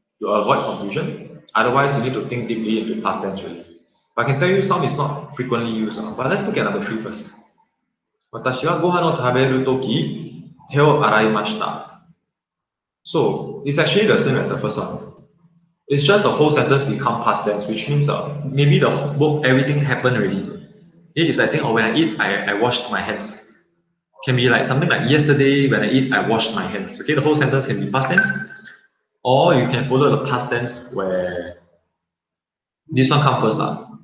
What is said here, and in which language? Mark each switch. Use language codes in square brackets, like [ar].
[en] You avoid confusion, otherwise you need to think deeply into past tense really. But I can tell you some is not frequently used, but let's look at number 3 first. [ja] 私はご飯を食べる時、手を洗いました。 [en] So, it's actually the same as the first one. It's just the whole sentence become past tense, which means maybe the book, everything happened already. It's like saying, oh, when I eat, I washed my hands. Can be like something like yesterday, when I eat, I washed my hands. Okay, the whole sentence can be past tense. Or you can follow the past tense where this one comes first.